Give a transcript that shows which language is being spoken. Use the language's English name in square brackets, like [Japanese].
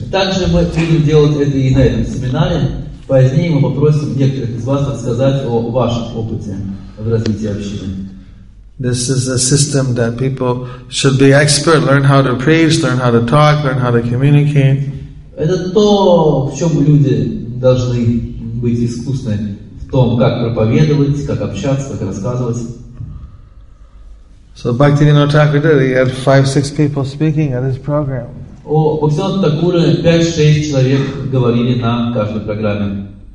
[Russian] Также мы будем делать это и на этом семинаре. Позднее мы попросим некоторых из вас рассказать о вашем опыте в развитии общины. [English] This is a system that people should be expert, learn how to preach, learn how to talk, learn how to communicate. [Russian] Это то, в чем люди должны быть искусны, в том, как проповедовать, как общаться, как рассказывать. [English] So Bhaktivinoda Thakur did, he had 5-6 people speaking at his program. [Russian] О Бхактивинода Такуре 5-6 человек говорили на каждой программе.